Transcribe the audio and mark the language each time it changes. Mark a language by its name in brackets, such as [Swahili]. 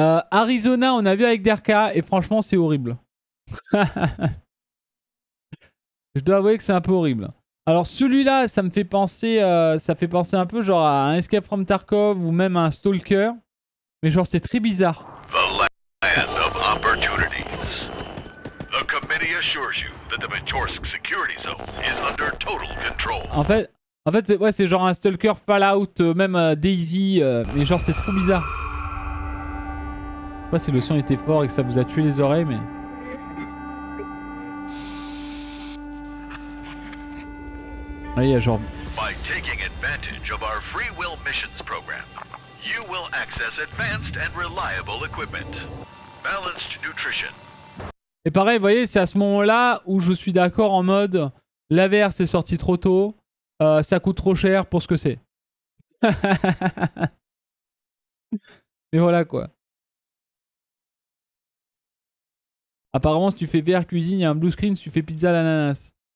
[French] Arizona, on a vu avec DRK, et franchement, c'est horrible. Je dois avouer que c'est un peu horrible. Alors, celui-là, ça me fait penser, ça fait penser un peu genre à un Escape from Tarkov ou même à un Stalker. Mais genre, c'est très bizarre. [English] The land of opportunities. The committee assures you that the Majorsk security zone is under total control. [French] En fait, ouais, c'est genre un Stalker, Fallout, même Daisy, mais genre c'est trop bizarre. Je sais pas si le son était fort et que ça vous a tué les oreilles, mais... Ouais, il y a genre... [English] By taking advantage of our free will missions program, you will access advanced and reliable equipment. Balanced nutrition. [French] Et pareil, vous voyez, c'est à ce moment-là où je suis d'accord en mode la VR c'est sorti trop tôt, ça coûte trop cher pour ce que c'est. Mais voilà quoi. Apparemment, si tu fais VR cuisine, il y a un blue screen, si tu fais pizza à l'ananas.